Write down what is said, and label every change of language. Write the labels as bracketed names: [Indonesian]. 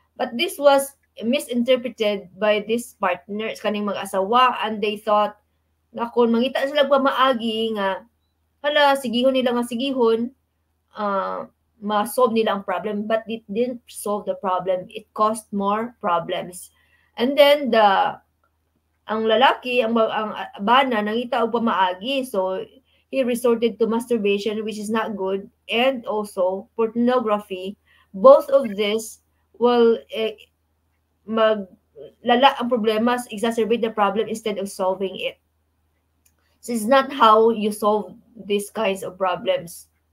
[English] But this was misinterpreted by this partner, [Cebuano] kaning mag-asawa, [English] and they thought [Cebuano] na kung mangita sila pamaagi nga hala, sigihon nila nga sigihon, ma-solve nila ang problem. [English] But it didn't solve the problem. It caused more problems. And then, [Cebuano] ang lalaki, ang bana, nangita o pamaagi. [English] So, he resorted to masturbation, which is not good. And also, pornography. Both of this will [Cebuano] maglala ang problema, [English] exacerbate the problem instead of solving it. So, it's not how you solve these kinds of problems.